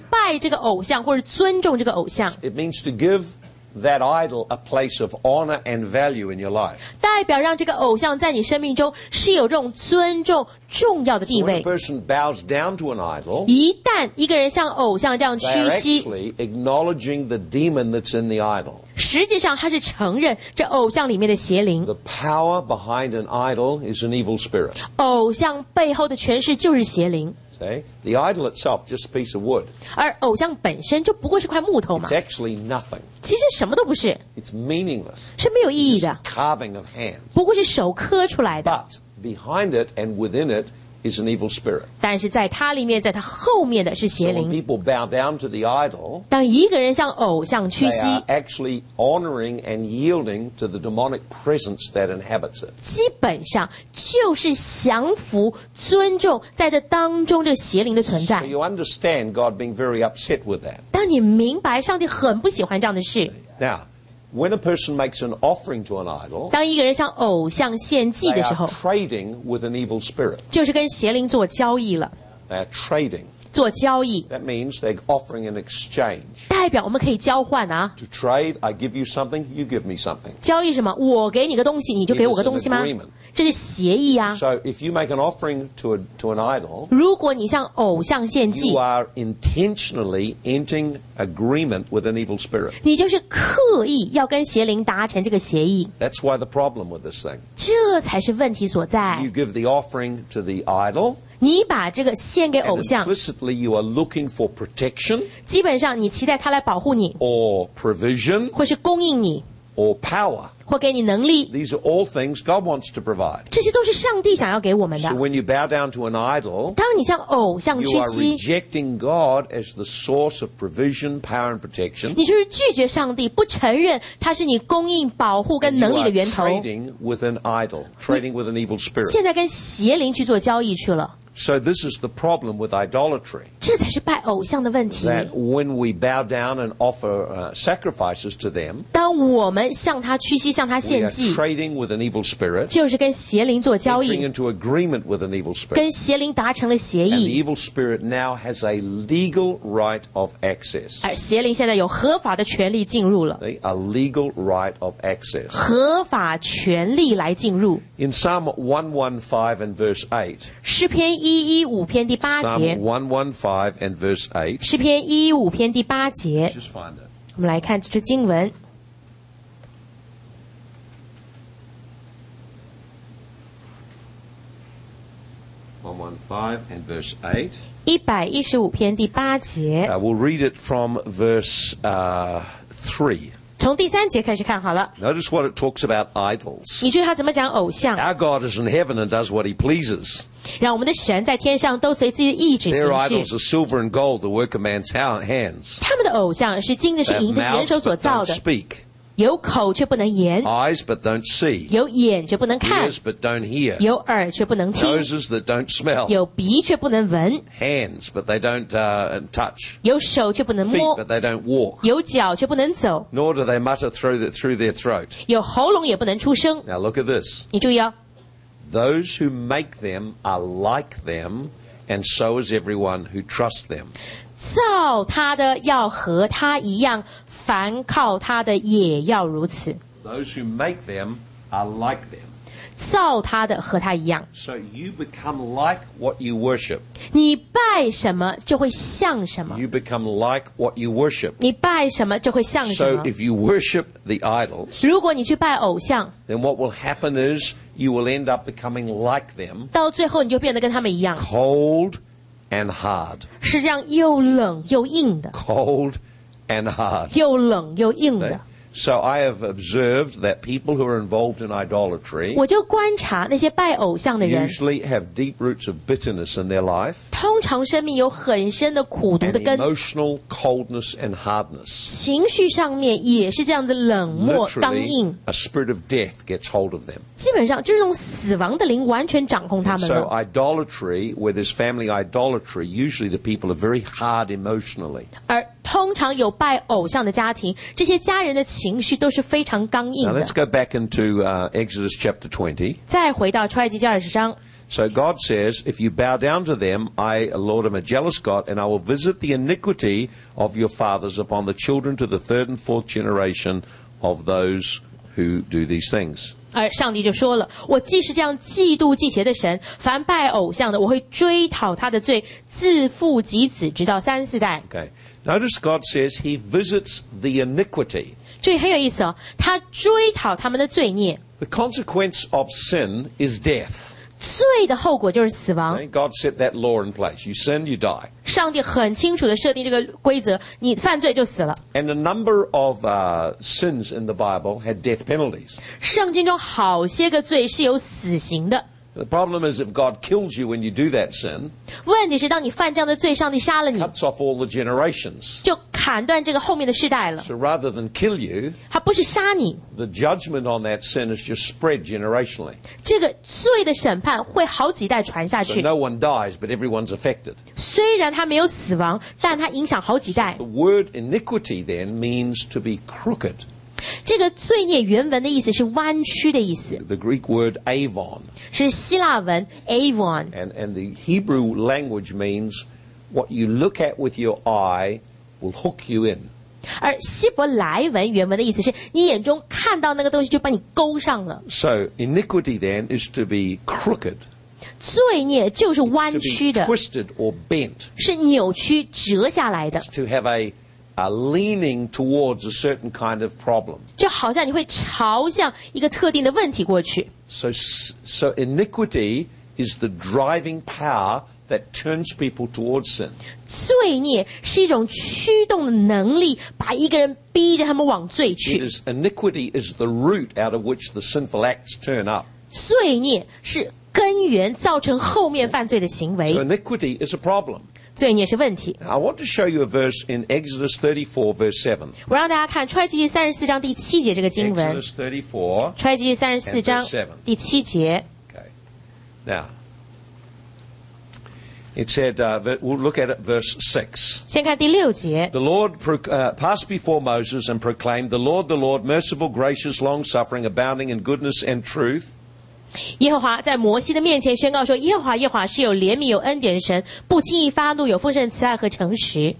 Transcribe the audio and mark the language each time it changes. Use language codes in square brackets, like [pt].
[zh] 跪下是代表你要去拜这个偶像或者尊重这个偶像。 [en] It means to give that idol a place of honor and value in your life. [zh] 代表让这个偶像在你生命中是有这种尊重重要的地位。 [en] When a person bows down to an idol, [zh] 一旦一个人向偶像这样屈膝, [en] they're actually acknowledging the demon that's in the idol. [zh] 实际上他是承认这偶像里面的邪灵。 [en] The power behind an idol is an evil spirit. [zh] 偶像背后的权势就是邪灵。 [en] Okay? The idol itself, just a piece of wood. [zh] 而偶像本身就不过是块木头嘛。 [en] It's actually nothing. [zh] 其实什么都不是。 [en] It's meaningless. [zh] 是没有意义的。 [en] It's just carving of hand. [zh] 不过是手刻出来的。 [en] But behind it and within it is an evil spirit. [zh] 但是在它里面, 在它后面的是邪灵。 [en] So when people bow down to the idol, [zh] 当一个人向偶像屈膝, [en] they are actually honoring and yielding to the demonic presence that inhabits it. [zh] 基本上就是降服, 尊重在这当中这邪灵的存在。 [en] So you understand God being very upset with that. [zh] 当你明白上帝很不喜欢这样的事。 [en] Now, when a person makes an offering to an idol, [zh] 当一个人向偶像献祭的时候, [en] they are trading with an evil spirit. [zh] 就是跟邪灵做交易了。 [en] They are trading. [zh] 做交易。 [en] That means they're offering an exchange. [zh] 代表我们可以交换啊。 [en] To trade, I give you something, you give me something. [zh] 交易什么? 我给你个东西, 你就给我个东西吗? [en] It is an agreement. [zh] 这是协议啊。 [en] So if you make an offering to an idol, [zh] 如果你向偶像献祭, [en] you are intentionally entering agreement with an evil spirit. [zh] 你就是刻意要跟邪灵达成这个协议。 [en] That's why the problem with this thing. [zh] 这才是问题所在。 [en] You give the offering to the idol, [zh] 你把这个献给偶像, [en] and implicitly you are looking for protection, [zh] 基本上你期待他来保护你, [en] or provision, [zh] 或是供应你, [en] or power. These are all things God wants to provide. So when you bow down to an idol, [zh] 当你向偶像屈膝, [en] you are rejecting God as the source of provision, power, and protection. [zh] 你就是拒绝上帝, 不承认他是你供应, 保护跟能力的源头。 [en] And you are trading with an idol, trading with an evil spirit. [zh] 现在跟邪灵去做交易去了。 [en] So this is the problem with idolatry. [zh] 这才是拜偶像的问题。 [en] That when we bow down and offer sacrifices to them, [zh] 当我们向他屈膝向他献祭 [en] we are trading with an evil spirit, [zh] 就是跟邪灵做交易 [en] entering into agreement with an evil spirit, [zh] 跟邪灵达成了协议 [en] and the evil spirit now has a legal right of access. [zh] 而邪灵现在有合法的权利进入了 [en] a legal right of access. [zh] 合法权利来进入 [en] In Psalm 115 and verse 8, [zh] 诗篇115篇第八节 [en] Psalm 115 and verse 8 [zh] 诗篇115篇第八节 [en] Just find it. [zh] 我们来看这句经文 [en] 115 and verse 8 [zh] 115篇第八节 [en] We'll read it from verse 3 [zh] 从第三节开始看好了 [en] Notice what it talks about idols [zh] 你注意它怎么讲偶像 [en] Our God is in heaven and does what he pleases [zh] 让我们的神在天上都随自己的意志行事 [en] Their idols are silver and gold, the work of man's hands. [zh] 他们的偶像是金的是银的人手所造的有口却不能言 [en] Eyes but don't see [zh] 有眼却不能看 [en] Ears but don't hear [zh] 有耳却不能听 [en] Noses that don't smell [zh] 有鼻却不能闻 [en] Hands but they don't touch [zh] 有手却不能摸 [en] Feet but they don't walk [zh] 有脚却不能走 [en] Nor do they mutter through their throat [zh] 有喉咙也不能出声 [en] Now look at this [zh] 你注意哦 [en] Those who make them are like them, and so is everyone who trusts them. [zh] 造他的要和他一样，凡靠他的也要如此。 [en] Those who make them are like them. [zh] 造他的和他一样。 [en] So you become like what you worship. [zh] 你拜什么就会像什么。 [en] You become like what you worship. [zh] 你拜什么就会像什么。 [en] So if you worship the idols, [zh] 如果你去拜偶像 [en] then what will happen is,You will end up becoming like them. [zh] 到最后你就变得跟他们一样。 [en] Cold and hard. [zh] 是这样又冷又硬的。 [en] Cold and hard. [zh] 又冷又硬的。 [en] So I have observed that people who are involved in idolatry [zh] 我就观察那些拜偶像的人 [en] usually have deep roots of bitterness in their life [zh] 通常生命有很深的苦毒的根 [en] and emotional coldness and hardness [zh] 情绪上面也是这样子冷漠刚硬 [en] Literally, a spirit of death gets hold of them [zh] 基本上就是那种死亡的灵完全掌控他们了 [en] So idolatry, where there's family idolatry usually the people are very hard emotionally [zh] 而通常有拜偶像的家庭这些家人的情绪都是非常刚硬的。 [en] Now let's go back into Exodus chapter 20. [zh] 再回到出埃及记二十章。 [en] So God says, if you bow down to them, I, Lord, am a jealous God, and I will visit the iniquity of your fathers upon the children to the third and fourth generation of those who do these things. [zh] 而上帝就说了，我既是这样嫉妒忌邪的神，凡拜偶像的，我会追讨他的罪，自父及子，直到三四代。 [en] Okay. Notice God says he visits the iniquity. [zh] 这很有意思哦，他追讨他们的罪孽。 [en] The consequence of sin is death. [zh] 罪的后果就是死亡。 [en] God set that law in place. You sin, you die. [zh] 上帝很清楚地设定这个规则，你犯罪就死了。 [en] And a number of sins in the Bible had death penalties. [zh] 圣经中好些个罪是有死刑的。 [en] The problem is if God kills you when you do that sin, [zh] 问题是当你犯这样的罪，上帝杀了你 [en] cuts off all the generations. [zh] 就砍断这个后面的世代了。 [en] So rather than kill you, [zh] 他不是杀你 [en] the judgment on that sin is just spread generationally. [zh] 这个罪的审判会好几代传下去。 [en] So no one dies, but everyone's affected. [zh] 虽然他没有死亡，但他影响好几代。 [en] The word iniquity then means to be crooked. [zh] 这个罪孽原文的意思是弯曲的意思 [en] The Greek word avon [zh] 是希腊文 avon [en] and the Hebrew language means what you look at with your eye will hook you in [zh] 而希伯来文原文的意思是你眼中看到那个东西就把你勾上了 [en] So iniquity then is to be crooked [zh] 罪孽就是弯曲的 [en] It's to be twisted or bent [zh] 是扭曲折下来的 [en] It's to have aleaning towards a certain kind of problem. [zh] 就好像你会朝向一个特定的问题过去。 [en] So iniquity is the driving power that turns people towards sin. [zh] 罪孽是一种驱动的能力，把一个人逼着他们往罪去。 [en] Iniquity is the root out of which the sinful acts turn up. [zh] 罪孽是根源，造成后面犯罪的行为。 [en] So iniquity is a problem. [zh] 罪孽是问题。 [en] I want to show you a verse in Exodus 34, verse 7. [zh] 我让大家看出埃及记三十四章第七节这个经文。 [en] Exodus 34, [zh] 出埃及记三十四章第七节。 [en] Okay. Now, It said, we'll look at it, verse 6. [zh] 先看第六节, [en] the Lord passed before Moses and proclaimed, the Lord, merciful, gracious, long-suffering, abounding in goodness and truth. [zh] 耶和华在摩西的面前宣告说，耶和华耶和华是有怜悯、有恩典的神，不轻易发怒，有丰盛慈爱和诚实。